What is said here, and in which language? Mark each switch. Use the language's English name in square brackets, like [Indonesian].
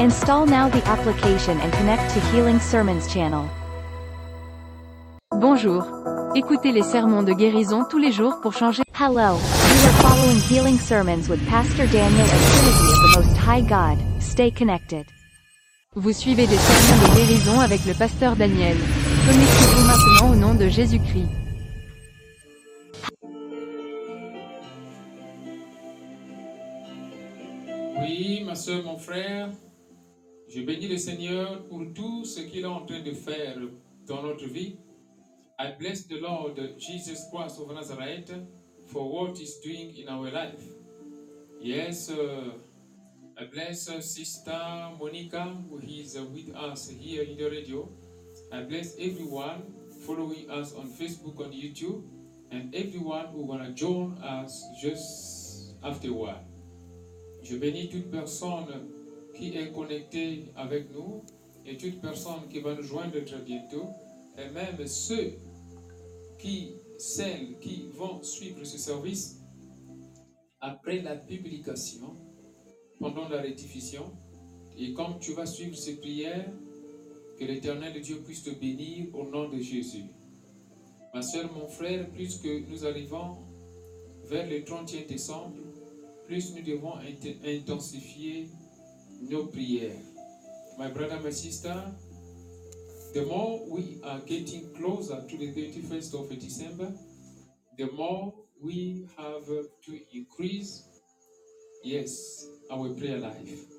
[English] Install now the application and connect to Healing Sermons channel. [French] Bonjour. Écoutez les sermons de guérison tous les jours pour changer. [English] Hello. We are following healing sermons with Pastor Daniel at Trinity of the Most High God. Stay connected. [French] Vous suivez des sermons de guérison avec le pasteur Daniel. Connectez-vous maintenant au nom de Jésus-Christ. Oui, ma soeur, mon frère, je bénis le Seigneur pour tout ce qu'il est en train de faire dans notre vie. [English] I bless the Lord Jesus Christ of Nazareth for what he's doing in our life. Yes, I bless Sister Monica, who is with us here in the radio. I bless everyone following us on Facebook, on YouTube, and everyone who will join us just afterward. [French] Je bénis toute personne qui est connectée avec nous et toute personne qui va nous joindre très bientôt, et même ceux qui, celles qui vont suivre ce service après la publication, pendant la rediffusion, et quand tu vas suivre ces prières, que l'Éternel Dieu puisse te bénir au nom de Jésus. Ma soeur, mon frère, puisque nous arrivons vers le 30e décembre, plus nous devons intensifier nos prières. [English] My brother, my sister, the more we are getting closer to the 31st of December, the more we have to increase, yes, our prayer life.